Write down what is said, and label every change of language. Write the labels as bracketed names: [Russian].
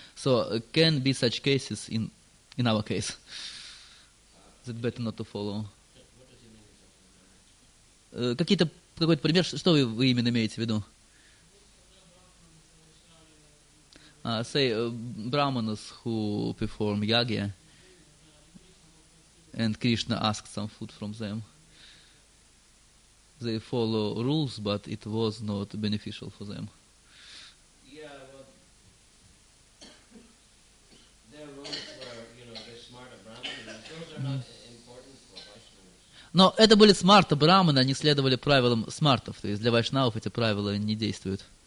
[English] So can be such cases in our case. Is it better not to follow? [Russian] Какой-то пример, что вы именно имеете в виду? [English] Say brahmanas who perform yagya, and Krishna asks some food from them. They follow rules, but it was not beneficial for them. Yeah, their rules were, you know, the smarta brahmanas. Those are not important for Vaishnavas. [Russian] Но это были смарта брахманы, они следовали правилам смартов. То есть для вайшнавов эти правила не действуют.